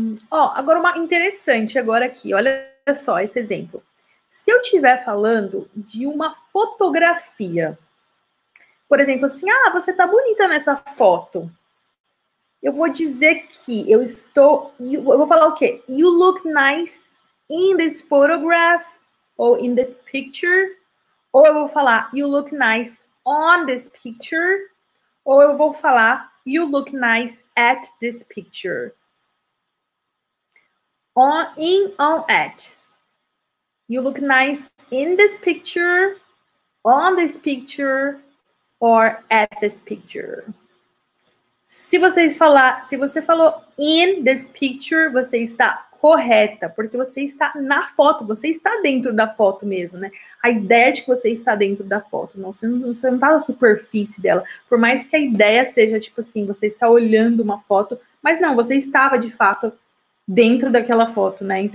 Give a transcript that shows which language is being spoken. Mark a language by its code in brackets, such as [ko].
[pt] Agora uma interessante agora aqui. Olha só esse exemplo. Se eu estiver falando de uma fotografia, por exemplo, assim, ah, você tá bonita nessa foto. Eu vou dizer que eu estou... Eu vou falar o quê? [en] You look nice in this photograph, ou in this picture, Ou eu vou falar, you look nice on this picture. Ou eu vou falar, you look nice at this picture. On, in, on, at. You look nice in this picture, on this picture, or at this picture. [pt] Se você falar, se você falou in this picture, você está correta, porque você está na foto, você está dentro da foto mesmo, né? A ideia de que você está dentro da foto, não, você não está na superfície dela. Por mais que a ideia seja, tipo assim, você está olhando uma foto, mas não, você estava, de fato, dentro daquela foto, né?